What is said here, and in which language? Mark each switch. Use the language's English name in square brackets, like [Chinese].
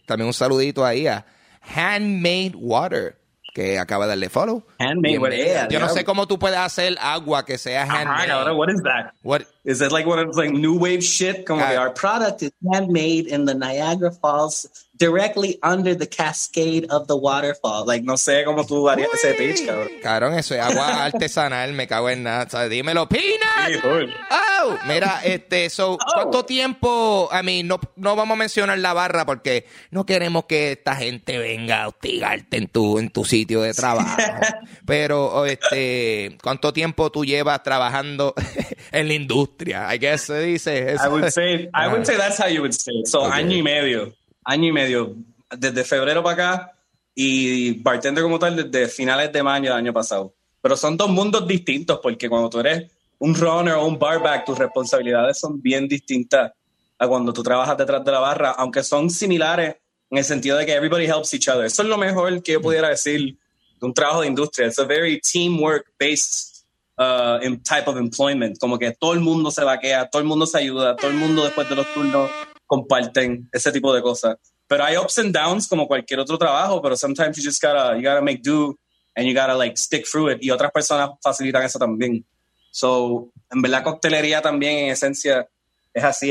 [Spanish] También un saludito ahí a Handmade Water, que acaba de darle follow. Handmade Water. Yo no sé cómo tú puedes hacer agua que sea handmade. [English] What is that? What? Is it like one of those new wave shit? Our product is handmade in the Niagara Falls, directly under the cascade of the waterfall. [Spanish] No sé cómo tú harías ese pitch, cabrón. Cabrón, eso es agua artesanal, me cago en nada. O sea, dímelo, Peanut. Sí, oh, mira, ¿cuánto tiempo? No vamos a mencionar la barra porque no queremos que esta gente venga a hostigarte en tu sitio de trabajo. Pero, ¿cuánto tiempo tú llevas trabajando en la industria? [English] I guess se dice. I would say that's how you would say it. [Spanish] Año y medio. Año y medio. Desde febrero para acá y bartender como tal desde finales de mayo del año pasado. Pero son dos mundos distintos porque cuando tú eres un runner o un barback, tus responsabilidades son bien distintas a cuando tú trabajas detrás de la barra, aunque son similares en el sentido de que everybody helps each other. Eso es lo mejor que yo pudiera decir. Un trabajo de industria. [English] It's a very teamwork-based type of employment. [Spanish] Como que todo el mundo se vaquea, todo el mundo se ayuda, todo el mundo después de los turnos comparten ese tipo de cosas. Pero hay ups and downs como cualquier otro trabajo, pero sometimes you gotta make do and you gotta stick through it. Y otras personas facilitan eso también. So, en verdad, coctelería también en esencia es así.